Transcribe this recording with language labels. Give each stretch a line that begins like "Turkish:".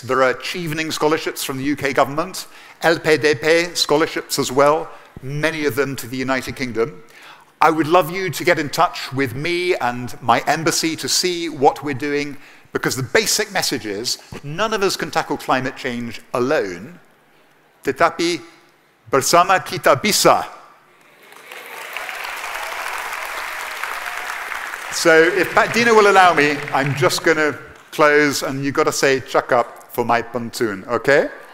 English: There are Chevening scholarships from the UK government, LPDP scholarships as well, many of them to the United Kingdom. I would love you to get in touch with me and my embassy to see what we're doing, because the basic message is none of us can tackle climate change alone.
Indonesian: Tetapi bersama kita bisa.
English: So if Pak Dino will allow me, I'm just going to close, and you've got to say chuck up for my pantun, okay?